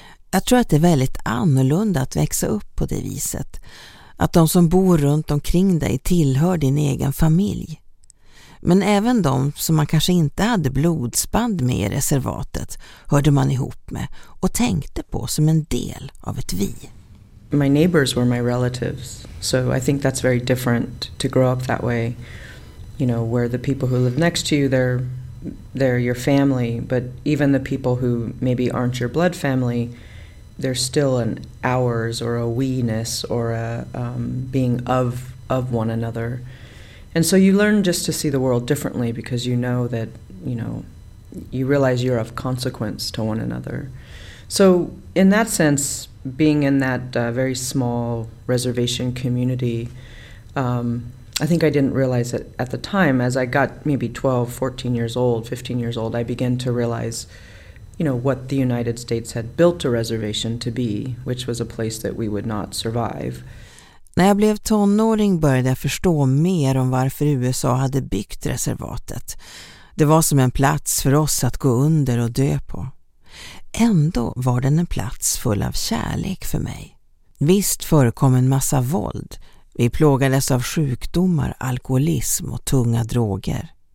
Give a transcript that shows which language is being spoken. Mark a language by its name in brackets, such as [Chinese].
[Swedish] Jag tror att det är väldigt annorlunda att växa upp på det viset. Att de som bor runt omkring dig tillhör din egen familj. Men även de som man kanske inte hade blodsband med i reservatet hörde man ihop med och tänkte på som en del av ett vi. [English] My neighbors were my relatives. So I think that's very different to grow up that way. You know, where the people who live next to you, they're your family, but even the people who maybe aren't your blood family, there's still an ours or a we-ness or a being of one another. And so you learn just to see the world differently because you know that, you know, you realize you're of consequence to one another. So in that sense, being in that very small reservation community, I think I didn't realize it at the time. As I got maybe 12, 14 years old, 15 years old, I began to realize, you know, what the United States had built a reservation to be, which was a place that we would not survive. [Swedish] När jag blev tonåring började jag förstå mer om varför USA hade byggt reservatet. Det var som en plats för oss att gå under och dö på. Ändå var den en plats full av kärlek för mig. Visst förekom en massa våld. Vi plågades av sjukdomar, alkoholism och tunga droger.